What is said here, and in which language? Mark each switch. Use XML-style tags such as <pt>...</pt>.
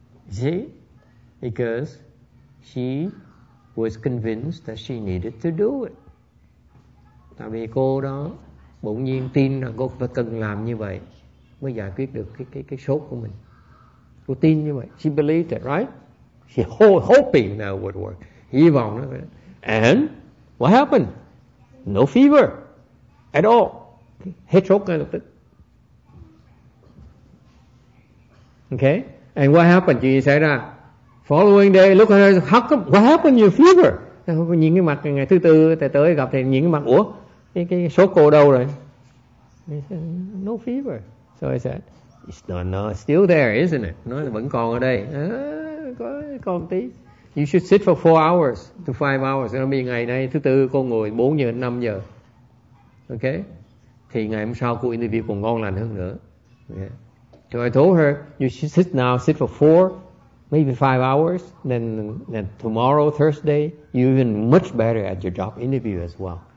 <en>See, because she was convinced that she needed to do it.</en> <vi>Tại vì cô đó bỗng nhiên tin rằng cô phải cần làm như vậy mới giải quyết được cái sốt của mình. Cô tin như vậy.</vi> <en>She believed it, right? She hoping that would work.</en> <vi>Hy vọng nó.</vi> <en>And what happened? No fever at all.</en> <vi>Hết sốt ngay lập tức.</vi> <en>Okay. And what happened?</en> <vi>Chuyện gì xảy ra?</vi> <en>Following day, look at her. How come? What happened? Your fever?</en> <vi>Nhìn cái mặt ngày thứ tư, thầy tới gặp thầy nhìn cái mặt. Ủa, cái số cô đâu rồi?</vi> <en>He said, no fever. So I said, it's not still there, isn't it?</en> <vi>Nói là vẫn còn ở đây. Còn tí.</vi> <en>You should sit for 4 hours to 5 hours.</en> <vi>Nó bị ngày nay thứ tư cô ngồi 4 giờ đến 5 giờ. Okay. Thì ngày hôm sau cô interview còn ngon lành hơn nữa.</vi> <en>Yeah. So I told her, you should sit now, sit for 4, maybe 5 hours, then tomorrow, Thursday, you're even much better at your job interview as well.</en>